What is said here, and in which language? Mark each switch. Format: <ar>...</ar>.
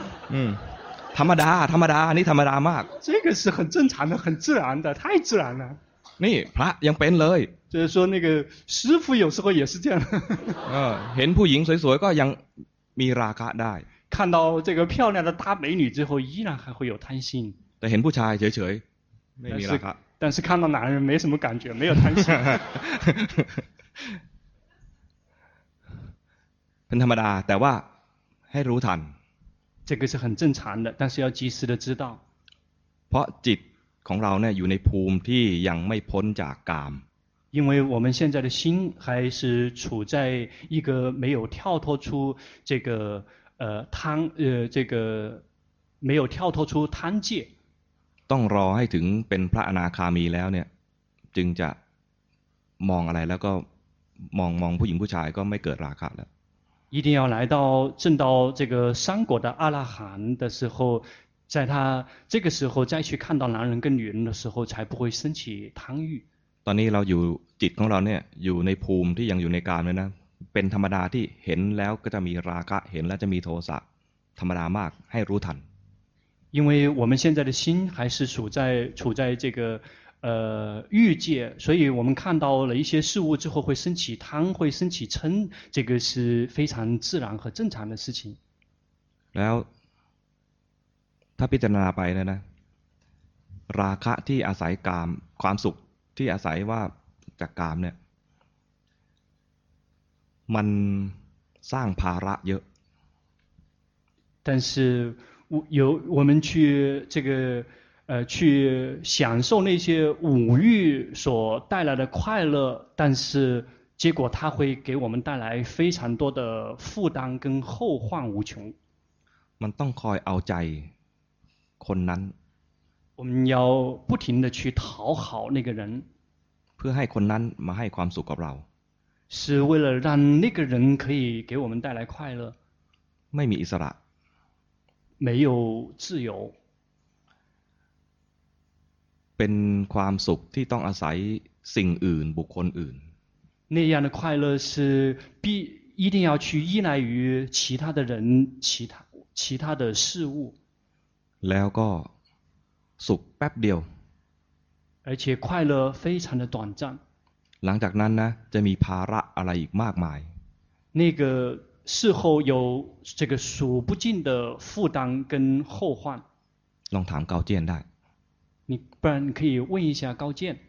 <th>嗯，ธรรมดาธรรมดานี่ธรรมดามาก</th> <zh>这个是很正常的很自然的太自然了</zh> <th>นี่พระยังเป็นเลย</th> <zh>就是说那个师父有时候也是这样</zh> <th>เห็นผู้หญิงสวยๆก็ยังมีราคะได้</th> <zh>看到这个漂亮的大美女之后依然还会有贪心</zh> <th>แต่เห็นผู้ชายเฉยๆไม่มีราคะ</th> <zh>但是看到男人没什么感觉没有贪心</zh> <th>เป็นธรรมดาแต่ว่าให้รู้ทัน</th> <zh>这个是很正常的但是要及时的知道</zh> <th>เพราะจิตของเราเนี่ยอยู่ในภูมิที่ยังไม่พ้นจากกาม</th> <zh>因为我们现在的心还是处在一个没有跳脱出这个贪这个没有跳脱出贪戒</zh> <th>ต้องรอให้ถึงเป็นพระอนาคามีแล้วเนี่ยจึงจะมองอะไรแล้วก็มองผู้หญิงผู้ชายก็ไม่เกิดราคะแล้ว</th> <zh>一定要来到证到这个三果的阿拉含的时候在他这个时候再去看到男人跟女人的时候才不会升起贪欲</zh> <th>ตอนนี้เราอยู่จิตของเราเนี่ยอยู่ในภูมิที่ยังอยู่ในกามนะเป็นธรรมดาที่เห็นแล้วก็จะมีราคะเห็นแล้วจะมีโทสะธรรมดามากให้รู้ทัน</th> <zh>因为我们现在的心还是处在这个欲界所以我们看到了一些事物之后会升起贪会升起嗔这个是非常自然和正常的事情</zh> <th>แล้วถ้าพิจารณาไปนะราคะที่อาศัยกามความสุขที่อาศัยว่าจากกามเนี่ยมันสร้างภาระเยอะ</th> <zh>但是我们去这个去享受那些五欲所带来的快乐但是结果它会给我们带来非常多的负担跟后患无穷</zh> <th>มันต้องคอยเอาใจคนนั้น</th> <zh>我们要不停地去讨好那个人</zh> <th>เพื่อให้คนนั้นมาให้ความสุขกับเรา</th> <zh>是为了让那个人可以给我们带来快乐</zh> <th>ไม่มีอิสระ</th> <zh>没有自由</zh> <th>เป็นความสุขที่ต้องอาศัยสิ่งอื่นบุคคลอื่น</th> <zh>那样的快乐是必一定要去依赖于其他的人其他的事物</zh> <th>แล้วก็สุขแป๊บเดียว</th> <zh>而且快乐非常的短暂</zh> <th>หลังจากนั้นนะจะมีภาระอะไรอีกมากมาย</th> <zh>那个事后有这个数不尽的负担跟后患</zh> <th>ลองถามเกาเจียนได้</th> <zh>你不然你可以问一下高健</zh>